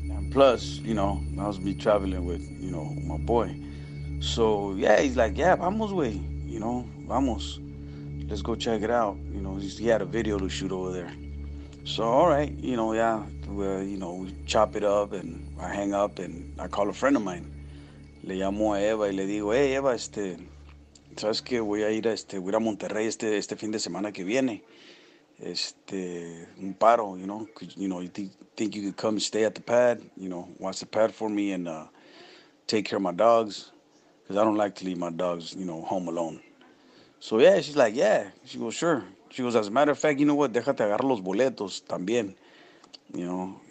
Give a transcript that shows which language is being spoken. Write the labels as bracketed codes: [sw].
[en] Plus, you know, that was me traveling with, you know, my boy. So, yeah, he's like, yeah, [es] vamos, güey. [en] You know, [es] vamos. [en] Let's go check it out. You know, he had a video to shoot over there. So, all right, you know, yeah. Well, you know, we chop it up and I hang up and I call a friend of mine. [es] Le llamo a Eva y le digo, hey, Eva, ¿sabes qué? Voy a ir a Monterrey este fin de semana que viene. Un paro, [en] you know, cause, you know, you think you could come stay at the pad, you know, watch the pad for me and take care of my dogs, because I don't like to leave my dogs, you know, home alone. So, yeah, she's like, yeah. She goes, sure. She goes, as a matter of fact, you know what, [es] déjate agarrar los boletos también, [en] you know.